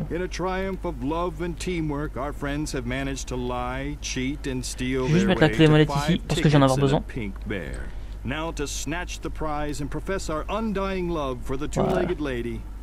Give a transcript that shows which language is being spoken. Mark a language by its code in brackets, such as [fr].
[en] In a triumph of love and teamwork, our friends have managed to lie, cheat and steal. [fr] Je vais juste mettre la clé molette ici parce que j'en ai besoin. [en] Now to snatch the prize and profess our undying love for the two-legged lady.